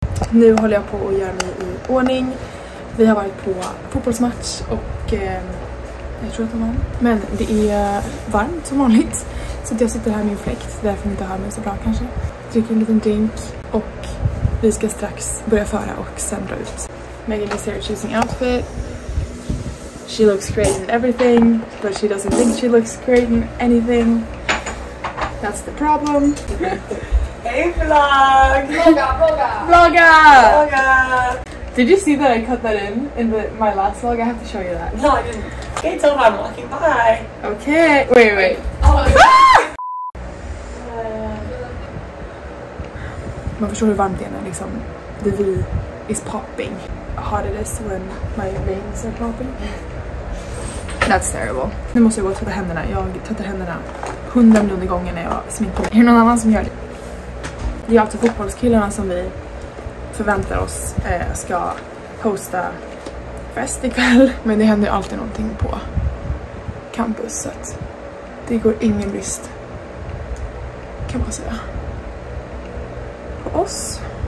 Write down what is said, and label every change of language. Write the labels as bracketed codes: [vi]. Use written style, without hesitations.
[sv] Nu håller jag på att göra mig i ordning. Vi har varit på fotbollsmatch och jag tror att det var. Men det är varmt som vanligt. Så att jag sitter här med en fläkt, därför ni inte hör mig så bra kanske. Dricker en liten drink och vi ska strax börja föra och sen dra ut. [en] Megan is here choosing outfit. She looks great in everything, but she doesn't think she looks great in anything. That's the problem. Hey vlog! [sv] Vlogga! Vlogga! [en] Did you see that I cut that in the my last vlog? I have to show you that. No, I didn't. Can't tell if I'm walking by. Okay, wait. [sv] Man förstår hur varmt det är liksom. [en] The V is popping. Hard it is when my veins are popping. That's terrible. [sv] Nu måste jag gå och tvätta händerna. Jag tvättar händerna 100 miljoner gånger när jag sminkar. Är det någon annan som gör det? Det är alltså fotbollskillarna som vi förväntar oss ska hosta fest ikväll. Men det händer ju alltid någonting på campus så att det går ingen brist, kan man säga, på oss.